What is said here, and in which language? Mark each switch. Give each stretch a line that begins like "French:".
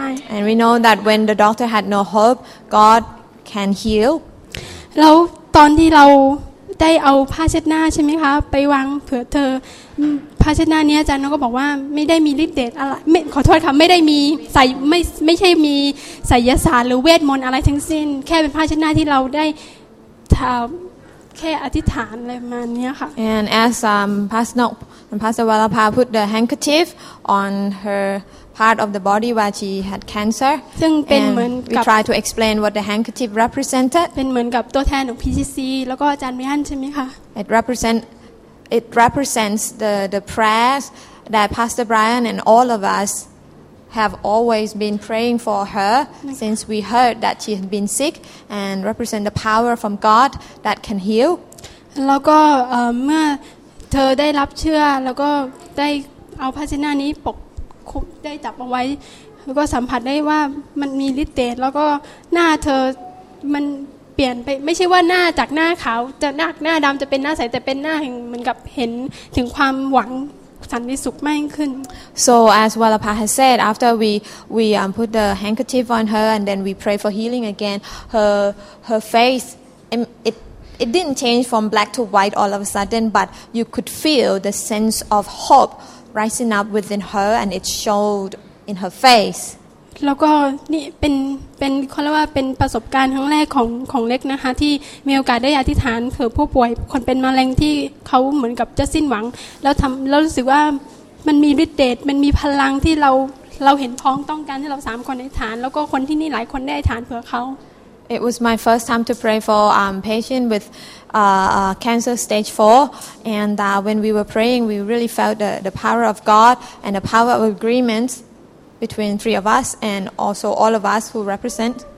English: And we know that when the doctor had no hope God can heal
Thai: แล้วตอนที่เราได้เอาผ้าเช็ดหน้าใช่ไหมคะไปวางเผื่อเธอผ้าเช็ดหน้านี้อาจารย์ก็บอกว่าไม่ได้มีฤทธิ์เดชอะไรไม่ขอโทษค่ะไม่ได้มีใส่ไม่ใช่มีไสยศาสตร์หรือเวทมนต์อะไรทั้งสิ้นแค่เป็นผ้าเช็ดหน้าที่เราได้ทําแค่อธิษฐานอะไรมานี้ค่ะ
English: And as Pastor Varapha put the handkerchief on her part of the body where she had cancer
Thai: ซึ่งเป็นเหมือนกับ
English: We try to explain what the handkerchief represented
Thai: เป็นเหมือนกับตัวแทนของ PCC แล้วก็อาจารย์มิฮันใช่มั้ยคะ
English: It representIt represents the prayers that Pastor Brian and all of us have always been praying for her since we heard that she had been sick and represent the power from God that can heal.
Thai: แล้วก็เมื่อเธอได้รับเชื่อแล้วก็ได้เอาผ้าเช็ดหน้านี้ปกคุมได้จับเอาไว้แล้วก็สัมผัสได้ว่ามันมีฤทธิ์เดชแล้วก็หน้าเธอมันเปลี่ยนไปไม่ใช่ว่าหน้าจากหน้าขาวจะหน้าดำจะเป็นหน้าใสแต่เป็นหน้าเหมือนกับเห็นถึงความหวังสันติสุขมากขึ้น
English: So as Varapha has said after we put the handkerchief on her and then we pray for healing again her face it didn't change from black to white all of a sudden but you could feel the sense of hope rising up within her and it showed in her face
Thai: แล้วก็นี่เป็นเขาเรียกว่าเป็นประสบการณ์ครั้งแรกของเล็กนะคะที่มีโอกาสได้อธิษฐานเผื่อผู้ป่วยคนเป็นมะเร็งที่เขาเหมือนกับจะสิ้นหวังแล้วทำแล้วรู้สึกว่ามันมีฤทธิ์เดชมันมีพลังที่เราเห็นพ้องต้องการที่เราสามคนอธิษฐานแล้วก็คนที่นี่หลายคนได้อธิษฐานเผื่อเขา
English: It was my first time to pray for patient with cancer stage 4 and when we were praying we really felt the power of God and the power of agreementbetween three of us and also all of us who represent